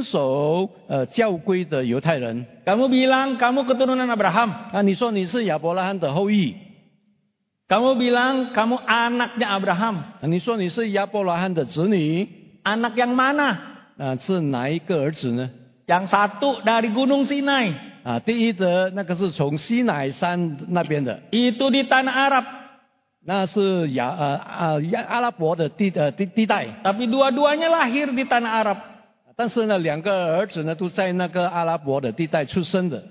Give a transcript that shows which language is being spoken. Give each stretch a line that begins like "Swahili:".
Chinese: 那么保罗从这个第24到25节呢，他就反驳这些遵守教规的犹太人。
Indonesian: Kamu bilang kamu keturunan Abraham.
Chinese: 啊，你说你是亚伯拉罕的后裔。
Indonesian: Kamu bilang kamu anaknya Abraham.
Chinese: 啊，你说你是亚伯拉罕的子女。
Indonesian: Anak yang mana?
Chinese: 啊，是哪一个儿子呢？
Indonesian: Yang satu dari Gunung Sinai.
Chinese: 啊，第一则那个是从西奈山那边的。
Indonesian: Itu di tanah Arab.
Chinese: 那是阿拉伯的地带。
Indonesian: Tapi dua-duanya lahir di tanah Arab.
Chinese: 但是呢，两个儿子呢都在那个阿拉伯的地带出生的。